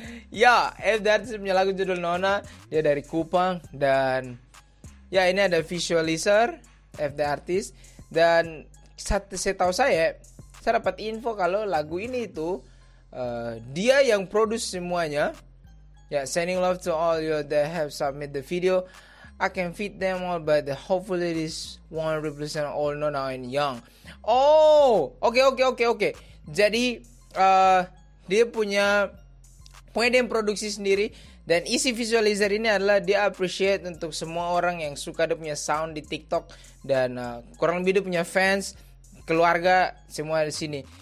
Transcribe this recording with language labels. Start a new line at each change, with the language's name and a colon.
Indonesian: Ya, FD Artis punya lagu judul Nona, dia dari Kupang. Dan ya, ini ada visualizer FD Artis. Dan saya tahu, saya dapat info kalau lagu ini itu dia yang produce semuanya.
English: Ya, yeah, sending love to all you that have submit the video. I can feed them all, but hopefully this one represent all Nona and Young. Oh, okay.
Indonesian: Jadi dia punya dia produksi sendiri, dan isi visualizer ini adalah dia appreciate untuk semua orang yang suka dia punya sound di TikTok, dan kurang lebih dia punya fans, keluarga semua di sini.